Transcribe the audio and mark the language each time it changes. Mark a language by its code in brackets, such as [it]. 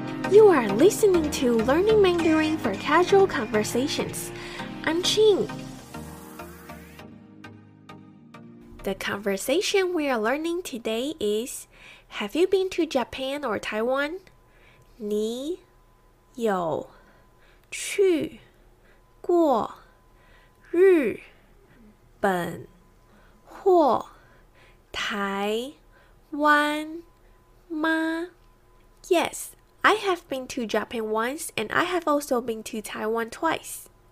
[en] You are listening to Learning Mandarin for Casual Conversations. I'm Ching. The conversation we are learning today is, have you been to Japan or Taiwan? [zh] 你有去过日本或台湾吗? [en] Yes, I have been to Japan once, and I have also been to Taiwan twice.